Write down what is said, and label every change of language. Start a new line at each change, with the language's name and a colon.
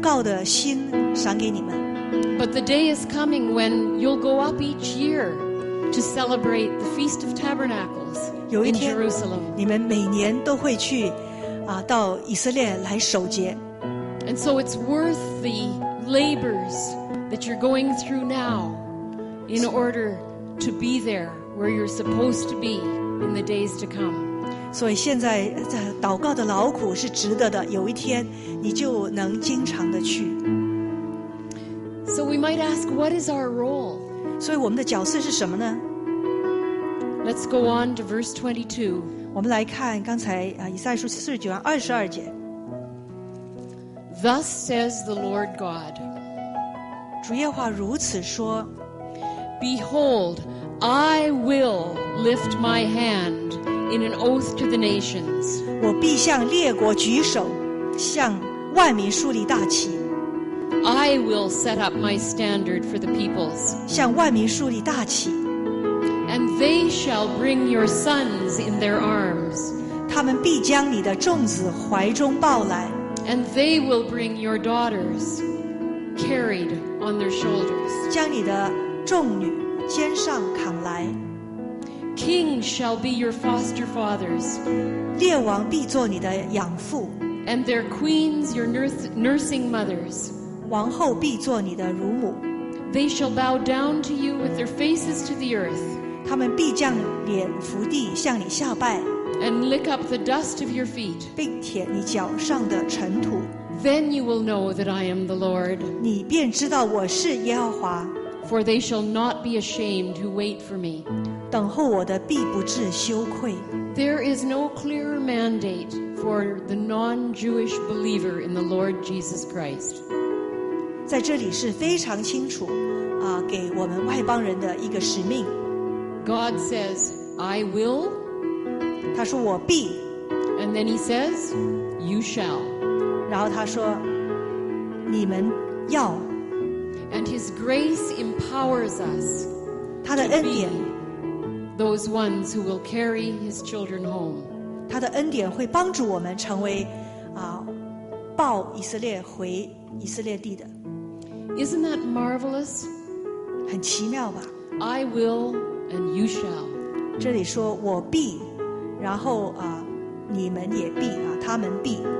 Chinese: 感谢神把为以色列祷告的心赏给你们。
English: But the day is coming when you'll go up each year to celebrate the Feast of Tabernacles in Jerusalem.
Chinese: 你们每年都会去, 到以色列来守节。
English: And so it's worth the labors that you're going through now in order to be there where you're supposed to be in the days to come.
Chinese: 所以现在祷告的劳苦是值得的, 有一天你就能经常地去。
English: So we might ask, what is our role?
Chinese: 所以我们的角色是什么呢?
English: Let's go on to verse 22.
Chinese: 我们来看刚才以赛书49:22。
English: Thus says the Lord God.
Chinese: 主耶和华如此说。
English: Behold, I will lift my hand in an oath to the nations.
Chinese: 我必向列国举手，向万民竖立大旗。
English: I will set up my standard for the peoples.
Chinese: 向万民竖立大旗。
English: And they shall bring your sons in their arms.
Chinese: 他们必将你的众子怀中抱来。
English: And they will bring your daughters carried on their shoulders.
Chinese: 将你的众女肩上扛来。
English: Kings shall be your foster fathers.
Chinese: 列王必做你的养父。
English: And their queens your nursing mothers.
Chinese: 王后必做你的乳母。
English: They shall bow down to you with their faces to the earth.
Chinese: 他们必将脸伏地向你下拜
English: and lick up the dust of your feet
Chinese: 并舔你脚上的尘土
English: then you will know that I am the Lord
Chinese: 你便知道我是耶和华
English: for they shall not be ashamed who wait for me
Chinese: 等候我的必不至羞愧
English: there is no clearer mandate for the non-Jewish believer in the Lord Jesus Christ
Chinese: 在这里是非常清楚给我们外邦人的一个使命
English: God says, I will.
Chinese: 他说我必。
English: And then he says, you shall.
Chinese: 然后他说你们要。
English: And his grace empowers us.
Chinese: 他的恩典。
English: Those ones who will carry his children home.
Chinese: 他的恩典会帮助我们成为抱以色列回以色列地的。
English: Isn't that marvelous?
Chinese: 很奇妙吧。
English: I will. And you shall.
Chinese: 这里说我必，然后你们也必他们必。